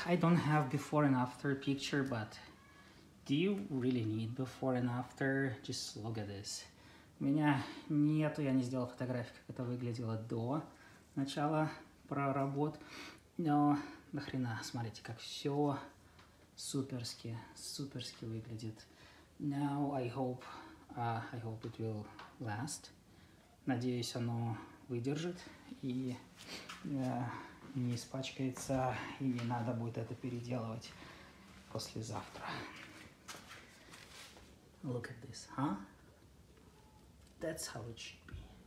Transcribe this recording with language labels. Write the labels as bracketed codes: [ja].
[en] I don't have before and after picture, but do you really need before and after? Just look at this. [ru] У меня нету, я не сделал фотографии, как это выглядело до начала проработ. Но нахрена, смотрите, как все суперски выглядит. [en] Now I hope it will last. [ru] Надеюсь, оно выдержит и не испачкается, и не надо будет это переделывать послезавтра. [en] Look at this, huh? That's how it should be.